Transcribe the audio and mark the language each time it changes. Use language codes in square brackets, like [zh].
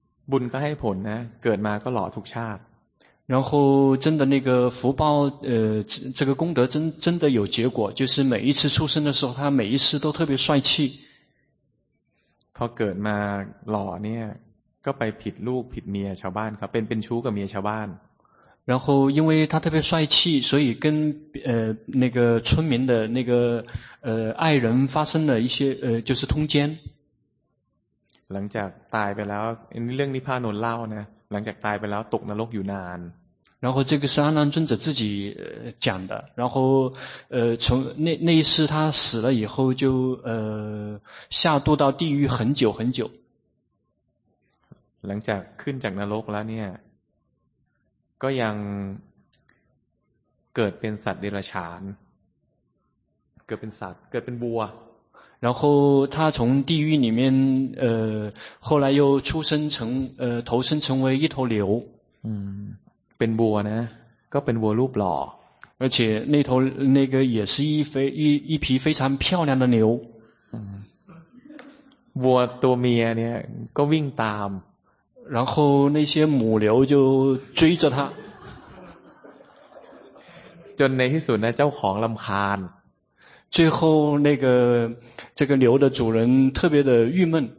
[th] บุญก็ให้ผลนะเกิดมาก็หล่อทุกชาติ。 [zh] 然后真的那个福报这个功德真的有结果就是每一次出生的时候他每一次都特别帅气 [th] พอเกิดมาหล่อเนี่ยก็ไปผิดลูกผิดเมียชาวบ้านครับเป็นชู้กับเมียชาวบ้าน [zh] 然后因为他特别帅气所以跟那个村民的那个爱人发生了一些就是通奸 [th] หลังจากตายไปแล้วเรื่องนี้พระอานนท์เล่านะหลังจากตายไปแล้วตกนรกอยู่นาน [zh] 然后这个是阿难尊者自己讲的然后从那一次他死了以后就下堕到地狱很久很久 [th] หลังจากขึ้นจากนรกแล้วเนี่ยก็ยังเกิดเป็นสัตว์เดรัจฉานเกิดเป็นวัว [zh] 然后他从地狱里面后来又出生成投生成为一头牛 [th] เป็นวัวนะก็เป็นวัวรูปหล่อ [zh] 而且那头那个也是一匹非常漂亮的牛 [th] วัวตัวเมียเนี่ยก็วิ่งตาม [zh] 然后那些母牛就追着他 [th] จนในที่สุดนะเจ้าของลำคาญ [zh] 最后那个这个牛的主人特别的郁闷